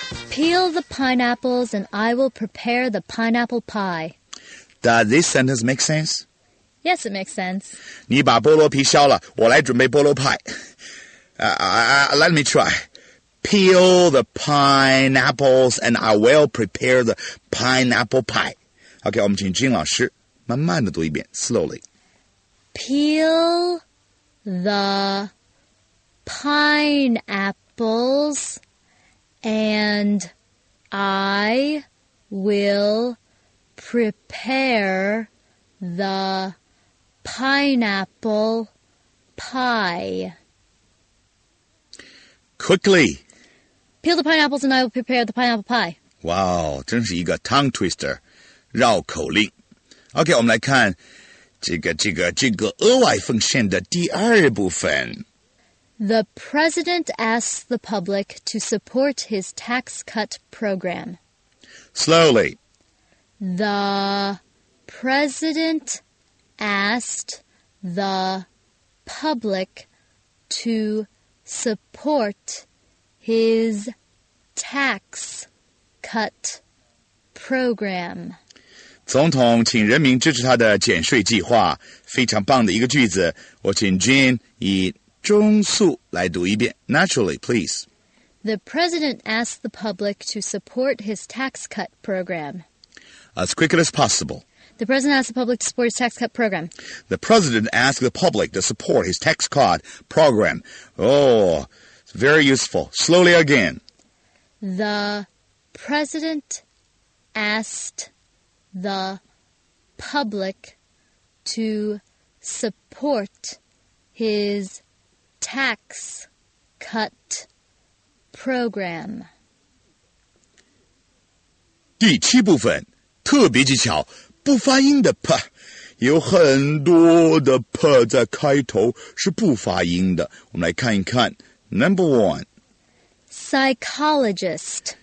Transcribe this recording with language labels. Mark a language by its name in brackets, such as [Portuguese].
[English] Peel the pineapples and I will prepare the pineapple pie. Does this sentence make sense? Yes, it makes sense. [Chinese] 你把菠萝皮削了，我来准备菠萝派。 [English] Let me try. Peel the pineapples and I will prepare the pineapple pie. [Chinese] Okay, 我们请金老师慢慢的读一遍 [English] slowly. Peel the pineapples and I will prepare the pineapple pie. Quickly. Peel the pineapples and I will prepare the pineapple pie. [Chinese] Wow, 真是一个 [English] tongue twister, [Chinese] 绕口令。 OK, 我们来看这个额外奉献的第二部分。 [English] The president asks the public to support his tax cut program. Slowly. The president asked the public to support... His tax cut program. [Chinese] 总统请人民支持他的减税计划，非常棒的一个句子。我请 Jean 以中速来读一遍。 [English] Naturally, please. The president asked the public to support his tax cut program. As quick as possible. The president asked the public to support his tax cut program. The president asked the public to support his tax cut program. Oh... Very useful. Slowly again. The president asked the public to support his tax cut program. [Chinese] 第七部分，特别技巧，不发音的 p， 有很多的 p 在开头是不发音的。我们来看一看 ， [English] Number one。 Psychologist，